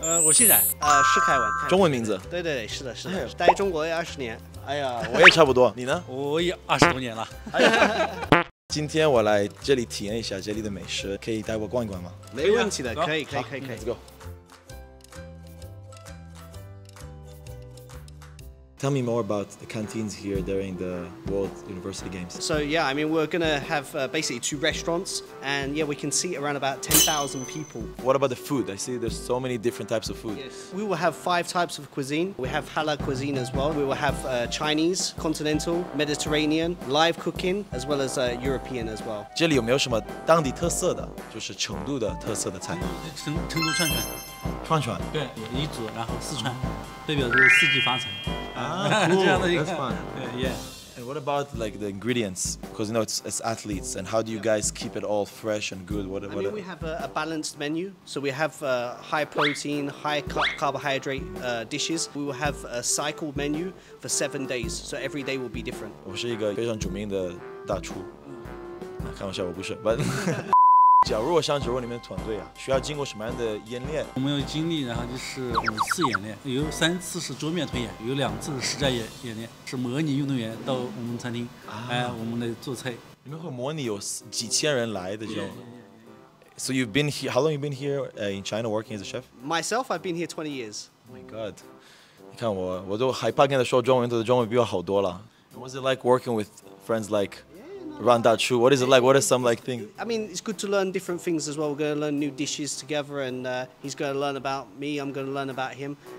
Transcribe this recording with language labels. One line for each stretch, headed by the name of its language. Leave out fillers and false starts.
Chinese: 我姓冉，是凯文。中文名字？对对对，是的，是的。哎、待中国有20年。哎呀，我也差不多。你呢？我也20多年了。今天我来这里体验一下这里的美食，可以带我逛一逛吗？没问题的，可以，可以，可以，可以。
English: Let's go. Tell me more about the canteens here during the World University Games. So yeah, I mean, we're gonna have basically two restaurants, and yeah, we can seat around about 10,000 people. What about the food? I see there's so many different types of food. Yes. We will have 5 types of cuisine. We have halal cuisine as well. We will have Chinese, continental, Mediterranean, live cooking, as well as European as well.
Chinese: 这里有没有什么当地特色的，就是成都的特色的菜？成都串串。串串。对，彝族，然后四川，代表着四季发财。
English: Cool. That's fun. Yeah. And what about like the ingredients? Because you know it's athletes, and how do you guys keep it all fresh and good? We have a balanced menu. So we have high protein, high carbohydrate dishes. We will have a cycled menu for 7 days. So every day will be different.
Chinese: 我是一个非常著名的大厨。开玩笑，我不是。 But 假如我想加入你们的团队啊，需要经过什么样的演练？我们有经历，然后就是5次演练，有3次是桌面推演，有2次是实战演练，是模拟运动员到我们餐厅，我们来做菜。你们会模拟有几千人来的这种？
English: So you've been here? How long you've been here in China working as a chef? Myself, I've been here 20 years. Oh my God!
Chinese: 你看我都害怕跟他说中文，他的中文比我好多了。
English: What's it like working with friends like? Run that true. What is it like? What are some like things? I mean, it's good to learn different things as well. We're going to learn new dishes together, and he's going to learn about me. I'm going to learn about him.